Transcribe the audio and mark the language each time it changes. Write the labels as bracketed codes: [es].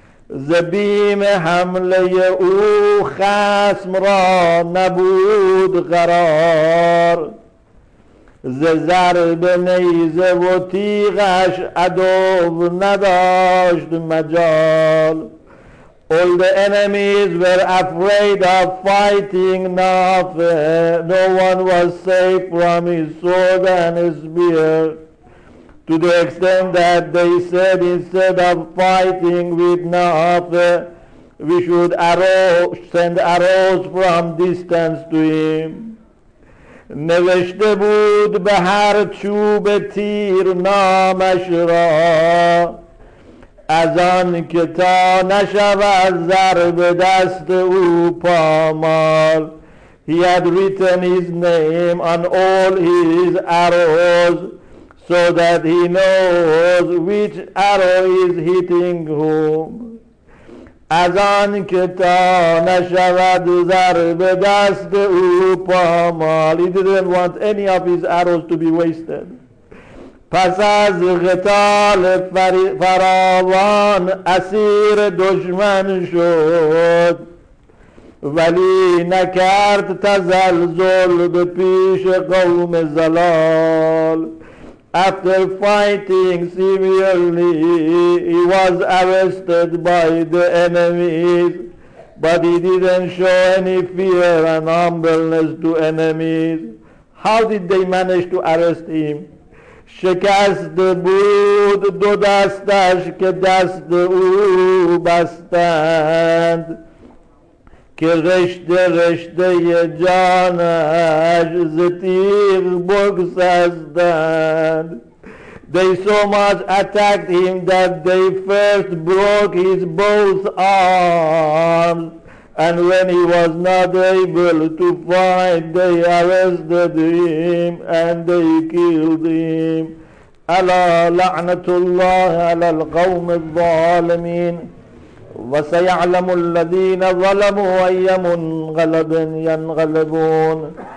[fa] زبیم حمله او خصم را نبود قرار ز ضرب نیزه و تیغش عدو نداشت مجال. [en] All the enemies were afraid of fighting Nafe. No one was safe from his sword and his spear, to the extent that they said, instead of fighting with Nafe, we should send arrows from distance to him. [fa] نوشته بود به هر چوب تیر نامش را، از آن که تا نشود ضرب دست او پامال. [en] He had written his name on all his arrows, so that he knows which arrow is hitting whom. [fa] از آن که تا نشود ضرب دست او پامال. [en] He didn't want any of his arrows to be wasted. [fa] پس از قتال فراوان اسیر دشمن شد، ولی نکرد تزلزل به پیش قوم زلال. [en] After fighting severely, he was arrested by the enemies, but he didn't show any fear and humbleness to enemies. How did they manage to arrest him? [fa] شکست بود دو دستش که دست او بستند، که رشته رشته جانش ز تیغ بگسستند. [en] They so much attacked him that they first broke his both arms, and when he was not able to fight, they arrested him and they killed him. [ar] الا لعنة الله على القوم الظالمين وسيعلم الذين ظلموا أي منقلب ينقلبون.